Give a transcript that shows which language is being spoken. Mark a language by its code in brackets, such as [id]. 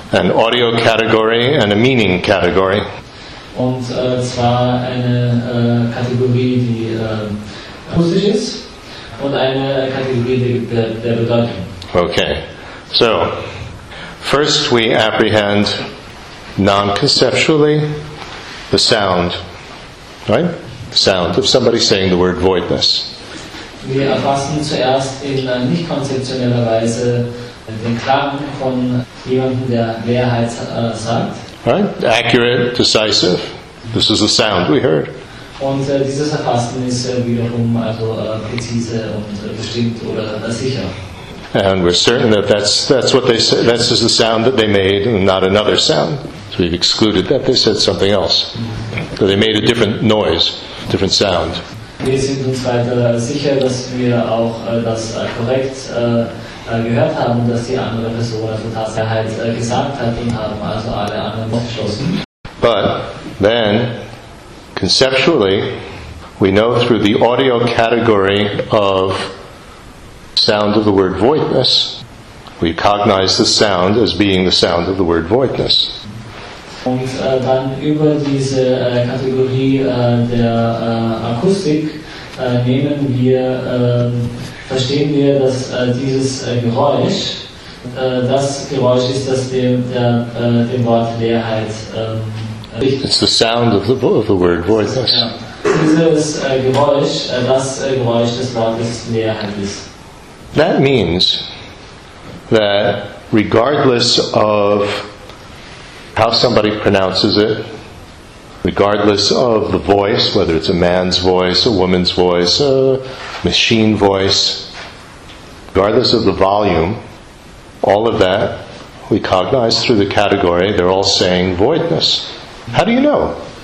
[en] An audio category and a meaning category. [de] Und zwar eine Kategorie, die akustisch ist, und eine Kategorie der Bedeutung. [en] Okay. So, first we apprehend non-conceptually the sound, right? The sound of somebody saying the word voidness. [de] Wir erfassen zuerst in nicht konzeptioneller Weise den Klang von jemandem, der Leerheit sagt. [en] Right? Accurate, decisive. This is the sound we heard. [de] Und dieses Erfassen ist wiederum also präzise und bestimmt oder sicher. [en] And we're certain that that's what they said. That's just the sound that they made, and not another sound. So we've excluded that they said something else. So they made a different noise, different sound. [de] Wir sind uns weiter sicher, dass wir auch das korrekt gehört haben, dass die andere Person also tatsächlich gesagt hat, und haben also alle anderen ausgeschlossen. [en] But then, conceptually, we know through the audio category of sound of the word voidness, we cognize the sound as being the sound of the word voidness. [de] Und dann über diese Kategorie der Akustik nehmen wir, verstehen wir, dass dieses Geräusch, das Geräusch ist, das dem Wort Leerheit richtet. [en] It's the sound of the word voiceless. [de] Ja. Dieses Geräusch, das Geräusch des Wortes Leerheit ist. [en] That means that regardless of how somebody pronounces it, regardless of the voice, whether it's a man's voice, a woman's voice, a machine voice, regardless of the volume, all of that, we cognize through the category, they're all saying voidness. How do you know?